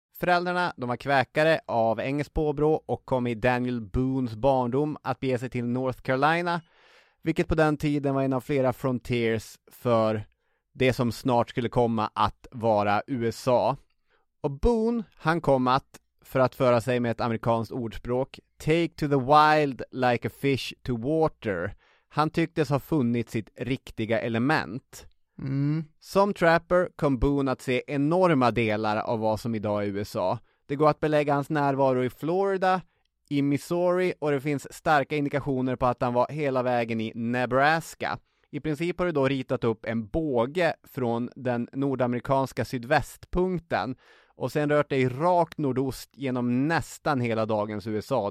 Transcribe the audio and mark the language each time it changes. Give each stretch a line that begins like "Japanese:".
Swedish: Föräldrarna, de var kväkare av engelsk påbrå, och kom i Daniel Boones barndom att bege sig till North Carolina, vilket på den tiden var en av flera frontiers för det som snart skulle komma att vara USA. Och Boone, han kom att, för att föra sig med ett amerikanskt ordspråk,
English: take to the wild like a fish to water.
Swedish: Han tycktes ha funnit sitt riktiga element. Mm. Som trapper kom Boone att se enorma delar av vad som idag är USA. Det går att belägga hans närvaro i Florida, i Missouri, och det finns starka indikationer på att han var hela vägen i Nebraska. I princip har du då ritat upp en båge från den nordamerikanska sydvästpunkten och sen rört dig rakt nordost genom nästan hela dagens USA.